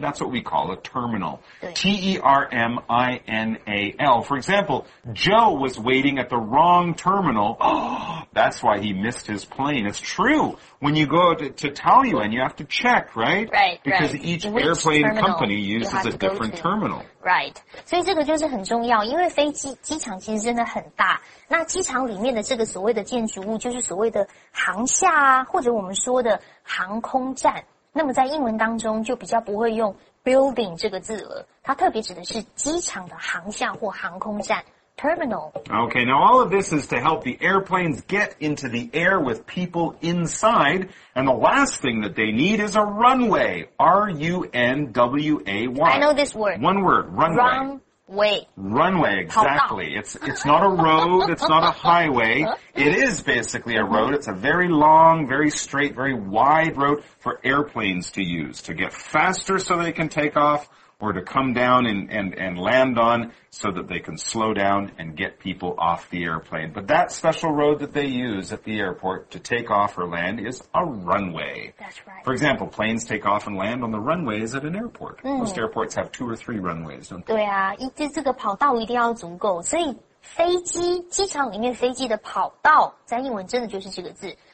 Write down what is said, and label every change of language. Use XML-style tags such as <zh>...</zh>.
<en>That's what we call a terminal. T-E-R-M-I-N-A-L. For example, Joe was waiting at the wrong terminal. That's why he missed his plane. It's true. When you go to Taoyuan, you have to check, right? Right, Because each airplane company uses a different terminal. Right.</en> <zh>所以这个就是很重要因为飞机机场其实真的很大。那机场里面的这个所谓的建筑物就是所谓的航厦啊或者我们说的航空站。那么在英文当中就比较不会用 building 这个字了。它特别指的是机场的航厦或航空站。</zh> <en>Terminal. Okay, now all of this is to help the airplanes get into the air with people inside, and the last thing that they need is a runway. R-U-N-W-A-Y. I know this word. One word, runway. Runway. Runway, exactly. It's not a road, it's not a highway. It is basically a road. It's a very long, very straight, very wide road for airplanes to use to get faster so they can take off. Or to come down and land on so that they can slow down and get people off the airplane. But that special road that they use at the airport to take off or land is a runway. That's right. For example, planes take off and land on the runways at an airport.、Mm. Most airports have two or three runways, don't they?</en> <zh>对啊，这个跑道一定要足够。所以飞机，机场里面飞机的跑道，在英文真的就是这个字。</zh>